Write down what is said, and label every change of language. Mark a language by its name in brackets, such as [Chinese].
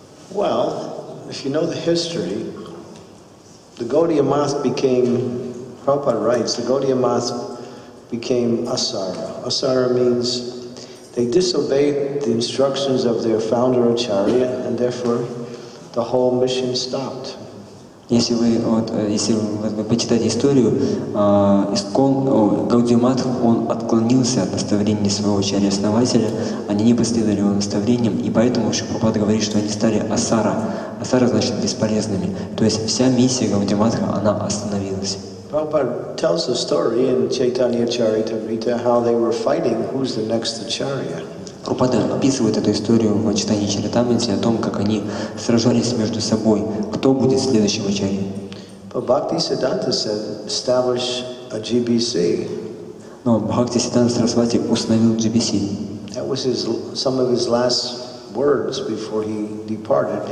[English] Well, if you know the history, the Gaudiya Mata became, Prabhupada writes, the Gaudiya Mata became Asara. Asara means they disobeyed the instructions of their founder Acharya, and therefore the whole mission stopped. [Russian] Если вы вот, если вы почитаете историю, Гаудия Матх, он отклонился от наставления своего Ачарья-основателя, они не последовали его наставлениям, и поэтому Шипрапада говорит, что они стали асара. Асара значит бесполезными. То есть вся миссия Гаудия Матха, она остановилась. [English] Prabhupada tells a story in Chaitanya Charitamrita how they were fighting who's the next Acharya. [Russian] Prabhupada описывает эту историю в Чайтанье Чаритамрите о том, как они сражались между собой, кто будет следующим Ачарьей. [English] But Bhakti Siddhanta said, establish a GBC. [Russian] Но Бхакти Сиддханта Сарасвати установил GBC. [English] That was some of his last words before he departed.